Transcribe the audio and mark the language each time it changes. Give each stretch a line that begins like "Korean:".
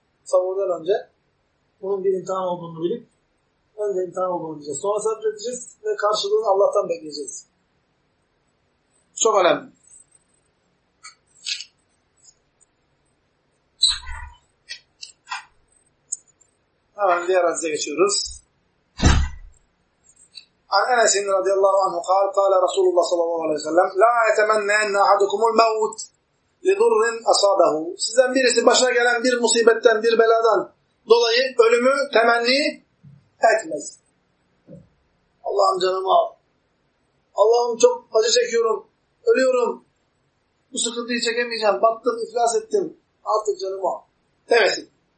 Turkish: Sabırdan önce bunun bir imtihan olduğunu bilip önce imtihan olduğunu diyeceğiz. Sonra sabredeceğiz ve karşılığını Allah'tan bekleyeceğiz. Çok önemli. Hemen diğer hadise geçiyoruz.
Arabic: An Enes radıyallahu anhu قال قال رسول الله صلى الله عليه وسلم لا يتمنى ان احدكم الموت لضر اصابه.
Turkish: Sizden birisi başına gelen bir musibetten, bir beladan dolayı ölümü temenni etmez. Allah'ım canımı al. Allah'ım çok acı çekiyorum. Ölüyorum. Bu sıkıntıyı çekemeyeceğim. Battım, iflas ettim. Artık canımı al. Demesin.